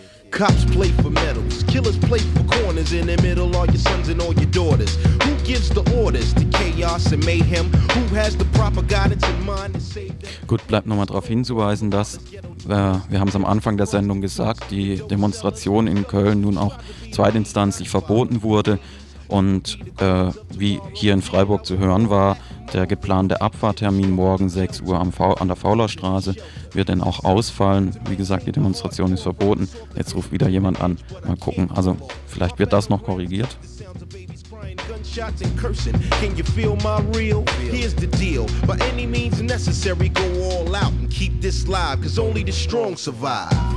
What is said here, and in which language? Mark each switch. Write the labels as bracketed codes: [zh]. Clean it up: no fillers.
[en] Cops play for medals, killers play for corners. In the middle are your sons and all your daughters. Who gives the orders to chaos and mayhem? Who has the proper guidance in mind to save them? [de] Gut, bleibt nochmal darauf hinzuweisen, dass, wir haben es am Anfang der Sendung gesagt, die Demonstration in Köln nun auch zweitinstanzlich verboten wurde. Und wie hier in Freiburg zu hören war, der geplante Abfahrttermin morgen 6 Uhr an der Faulerstraße wird dann auch ausfallen. Wie gesagt, die Demonstration ist verboten. Jetzt ruft wieder jemand an. Mal gucken. Also vielleicht wird das noch korrigiert. [en] Gunshots and cursing, can you feel my real? Here's the deal, by any means necessary, go all out and keep this live, cause only the strong survive.